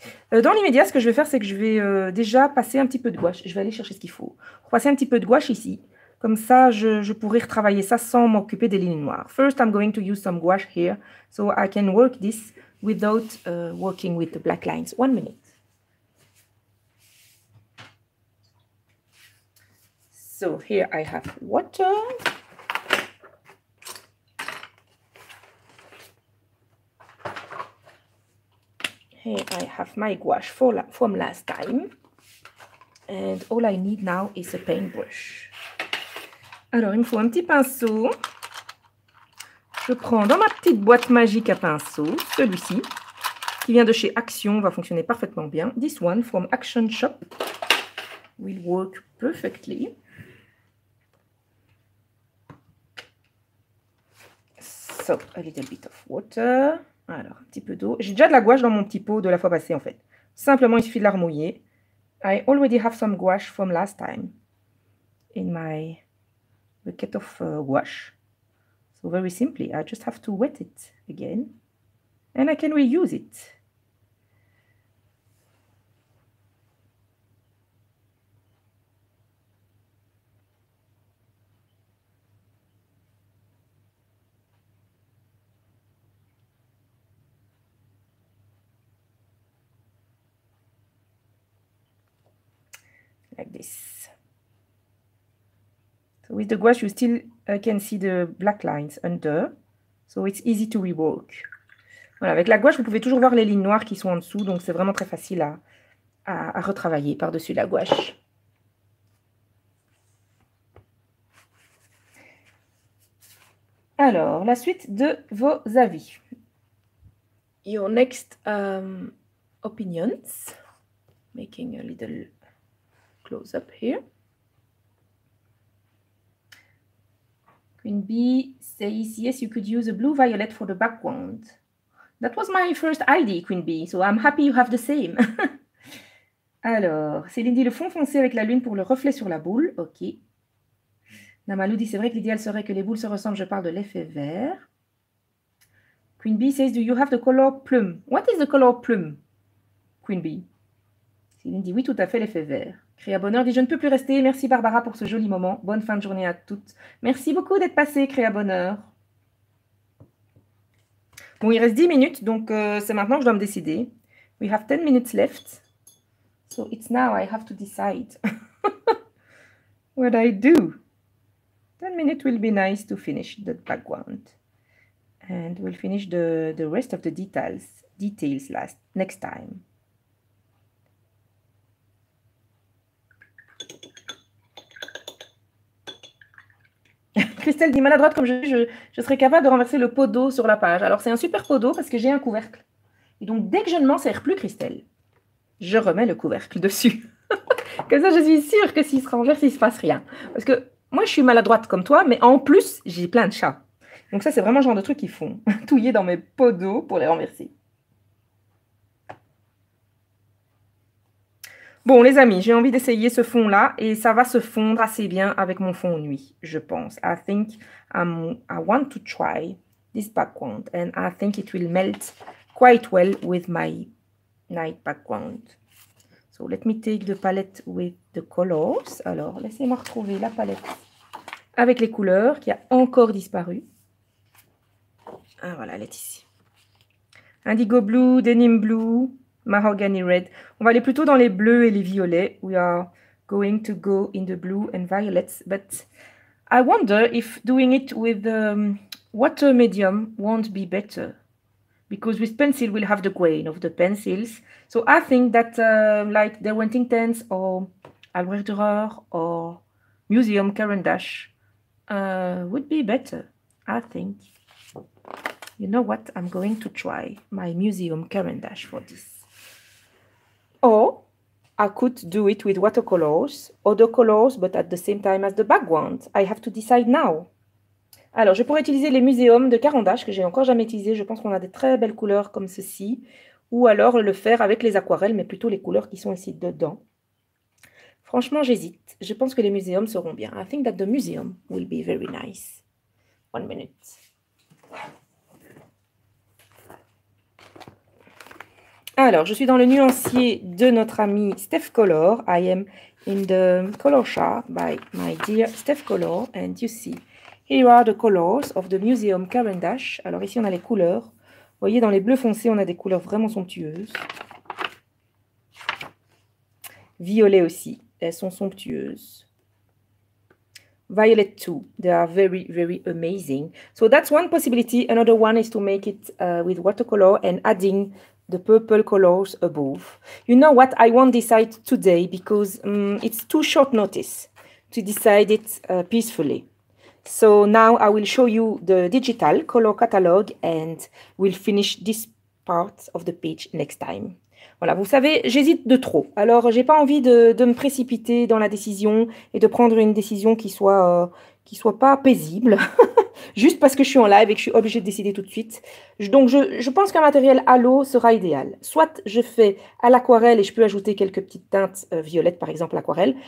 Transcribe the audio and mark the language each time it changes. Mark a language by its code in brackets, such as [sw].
[fr] Dans l'immédiat, ce que je vais faire, c'est que je vais déjà passer un petit peu de gouache. Je vais aller chercher ce qu'il faut. Passer un petit peu de gouache ici. Comme ça, je pourrai retravailler ça sans m'occuper des lignes noires. [en] First, I'm going to use some gouache here, so I can work this without working with the black lines. 1 minute. So, here I have water. Here I have my gouache from last time. And all I need now is a paintbrush. [fr] Alors, il me faut un petit pinceau. Je prends dans ma petite boîte magique à pinceaux, celui-ci, qui vient de chez Action, va fonctionner parfaitement bien. [en] This one from Action Shop will work perfectly. So, a little bit of water. [fr] Alors, un petit peu d'eau. J'ai déjà de la gouache dans mon petit pot de la fois passée, en fait. Simplement, il suffit de la remouiller. [en] I already have some gouache from last time in my bucket of gouache. So, very simply, I just have to wet it again. And I can reuse it. This. So with the gouache, you still can see the black lines under, so it's easy to rework. [fr] Voilà, avec la gouache, vous pouvez toujours voir les lignes noires qui sont en dessous, donc c'est vraiment très facile à retravailler par-dessus la gouache. Alors, la suite de vos avis. [en] Your next opinions, making a little close up here. Queen Bee says, yes, you could use a blue violet for the background. That was my first idea, Queen Bee, so I'm happy you have the same. [fr] Alors, Céline dit, le fond foncé avec la lune pour le reflet sur la boule. Ok. Namalou dit, c'est vrai que l'idéal serait que les boules se ressemblent, je parle de l'effet vert. [en] Queen Bee says, do you have the color plume? What is the color plume, Queen Bee? [fr] Céline dit, oui, tout à fait, l'effet vert. Créa Bonheur dit, je ne peux plus rester. Merci Barbara pour ce joli moment. Bonne fin de journée à toutes. Merci beaucoup d'être passée, Créa Bonheur. Bon, il reste 10 minutes, donc c'est maintenant que je dois me décider. [en] We have 10 minutes left. So it's now I have to decide what I do. 10 minutes will be nice to finish the background. And we'll finish the rest of the details next time. [fr] Christelle dit, maladroite comme je suis, je serais capable de renverser le pot d'eau sur la page. Alors, c'est un super pot d'eau parce que j'ai un couvercle. Et donc, dès que je ne m'en sers plus, Christelle, je remets le couvercle dessus. Comme ça, je suis sûre que s'il se renverse, il ne se passe rien. Parce que moi, je suis maladroite comme toi, mais en plus, j'ai plein de chats. Donc ça, c'est vraiment le genre de truc qu'ils font. Touiller dans mes pots d'eau pour les renverser. Bon, les amis, j'ai envie d'essayer ce fond-là et ça va se fondre assez bien avec mon fond nuit, je pense. [en] I think I want to try this background and I think it will melt quite well with my night background. So, let me take the palette with the colors. [fr] Alors, laissez-moi retrouver la palette avec les couleurs qui a encore disparu. Ah, voilà, elle est ici. [en] Indigo blue, denim blue, mahogany red. [fr] On va aller plutôt dans les bleus et les violets. [en] We are going to go in the blue and violets. But I wonder if doing it with the water medium won't be better. Because with pencil, we'll have the grain of the pencils. So I think that like the Derwent Intens or Albrecht Dürer or Museum Caran d'Ache would be better, I think. You know what? I'm going to try my Museum Caran d'Ache for this. Or I could do it with watercolors, other colors, but at the same time as the background. I have to decide now. [fr] Alors, je pourrais utiliser les muséums de Caran d'Ache que j'ai encore jamais utilisé. Je pense qu'on a des très belles couleurs comme ceci. Ou alors le faire avec les aquarelles, mais plutôt les couleurs qui sont ici dedans. Franchement, j'hésite. Je pense que les muséums seront bien. [en] I think that the museum will be very nice. One minute. [fr] Alors, je suis dans le nuancier de notre ami Steph Color. [en] I am in the color chart by my dear Steph Color. And you see, here are the colors of the Museum Caran d'Ache. [fr] Alors ici, on a les couleurs. Vous voyez, dans les bleus foncés, on a des couleurs vraiment somptueuses. Violet aussi, elles sont somptueuses. [en] Violet too, they are very, very amazing. So that's one possibility. Another one is to make it with watercolor and adding the purple colors above. You know what, I won't decide today because it's too short notice to decide it peacefully. So now I will show you the digital color catalog and we'll finish this part of the page next time. [fr] Voilà, vous savez, j'hésite de trop. Alors, j'ai pas envie de me précipiter dans la décision et de prendre une décision qui soit pas paisible. Juste parce que je suis en live et que je suis obligée de décider tout de suite. Donc, je pense qu'un matériel à l'eau sera idéal. Soit je fais à l'aquarelle et je peux ajouter quelques petites teintes violettes, par exemple, à l'aquarelle.